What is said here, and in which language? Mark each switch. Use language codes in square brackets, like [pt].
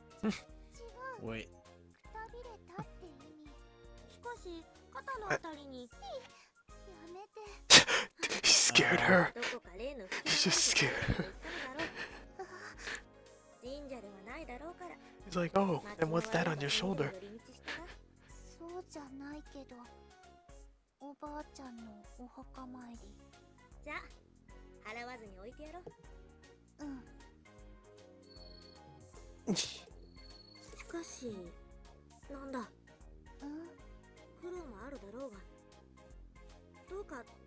[ja] 違う。くたびれたって意味。しかし肩のあたりに。やめて。 [en] He scared her. [ja] どこか例の [en] He just scared her. [ja] 神社ではないだろうから。 [en] He's like, oh, then what's that on your shoulder? [ja] そうじゃないけど、おばあちゃんのお墓参り。じゃ、払わずに置いてやろう。しかし、なんだ。苦労もあるだろうが。どうか。